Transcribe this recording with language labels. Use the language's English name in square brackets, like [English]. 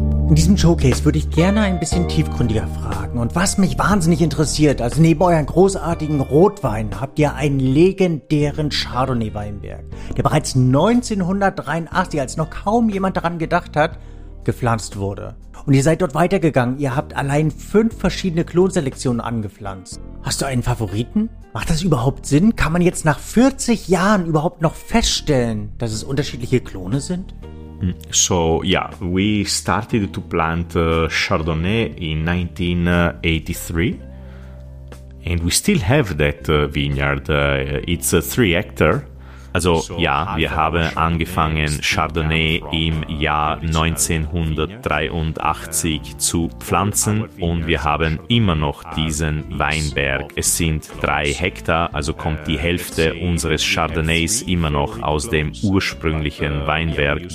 [German] In diesem Showcase würde ich gerne ein bisschen tiefgründiger fragen. Und was mich wahnsinnig interessiert, also neben euren großartigen Rotwein habt ihr einen legendären Chardonnay-Weinberg, der bereits 1983, als noch kaum jemand daran gedacht hat, gepflanzt wurde. Und ihr seid dort weitergegangen, ihr habt allein 5 verschiedene Klonselektionen angepflanzt. Hast du einen Favoriten? Macht das überhaupt Sinn? Kann man jetzt nach 40 Jahren überhaupt noch feststellen, dass es unterschiedliche Klone sind? [English] So, yeah, we started to plant Chardonnay in 1983 and we still have that vineyard. It's a 3-hectare. [German] Also ja, wir haben angefangen, Chardonnay im Jahr 1983 zu pflanzen und wir haben immer noch diesen Weinberg. Es sind 3 Hektar, also kommt die Hälfte unseres Chardonnays immer noch aus dem ursprünglichen Weinberg.